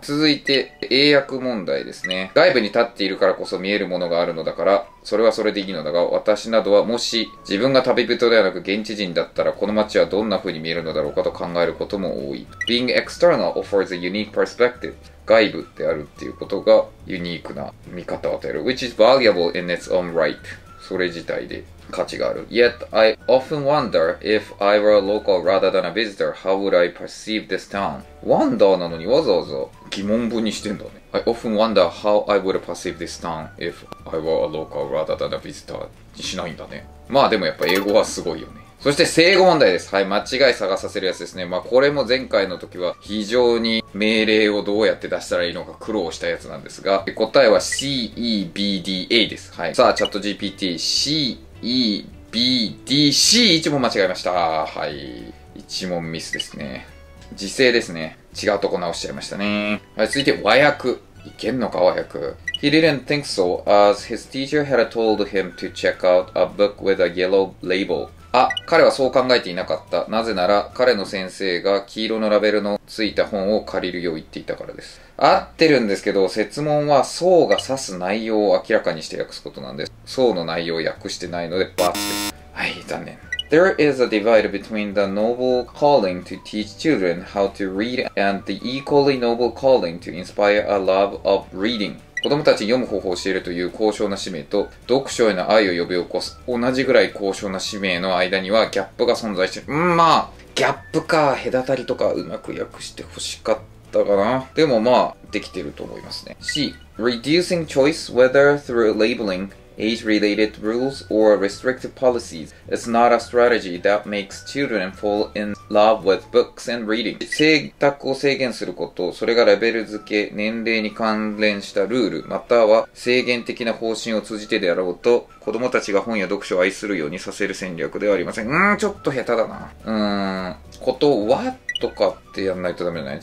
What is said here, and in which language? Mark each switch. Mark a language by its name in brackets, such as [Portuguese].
[Japanese] 続いて、英訳問題ですね。外部に立っているからこそ見えるものがあるのだから、それはそれでいいのだが、私などはもし自分が旅人ではなく現地人だったら、この街はどんな風に見えるのだろうかと考えることも多い。 [English] Being external offers a unique perspective. [Japanese] 外部であるっていうことがユニークな見方を与える。 [English] Which is valuable in its own right. [Japanese] それ自体で。価値がある。 [English] Yet I often wonder if I were a local rather than a visitor, how would I perceive this town? [Japanese] Wonder なのにわざわざ疑問文にしてんだね。 [English] I often wonder how I would perceive this town if I were a local rather than a visitor [Japanese] にしないんだね。まあでもやっぱ英語はすごいよね。そして正誤問題です。はい、間違い探させるやつですね。まあこれも前回の時は非常に命令をどうやって出したらいいのか苦労したやつなんですが、答えは CEBDA です。はい。さあ、チャット GPT、CEBDC、1問間違えました。はい。1問ミスですね。時制ですね。違うとこ直しちゃいましたね。はい、続いて和訳。いけんのか、和訳。 [English] He didn't think so, as his teacher had told him to check out a book with a yellow label. [Japanese] あ、彼はそう考えていなかった。なぜなら、彼の先生が黄色のラベルのついた本を借りるよう言っていたからです。合ってるんですけど、設問は、そうが指す内容を明らかにして訳すことなんです。そうの内容を訳してないので、バツです。はい、残念。 [English] There is a divide between the noble calling to teach children how to read and the equally noble calling to inspire a love of reading. [Japanese] 子供たちに読む方法を教えるという高尚な使命と読書への愛を呼び起こす同じぐらい高尚な使命の間にはギャップが存在している。まあ、ギャップか、隔たりとかうまく訳してほしかったかな。でもまあ、できてると思いますね。 [English] C. Reducing choice whether through labeling. Age-related rules or restrictive policies. It's not a strategy that makes children fall in love with books and reading. [Japanese] 選択を制限すること、それがレベル付け、年齢に関連したルール、または制限的な方針を通じてであろうと、子供たちが本や読書を愛するようにさせる戦略ではありません。ちょっと下手だな。ことはとかってやんないとダメじゃない。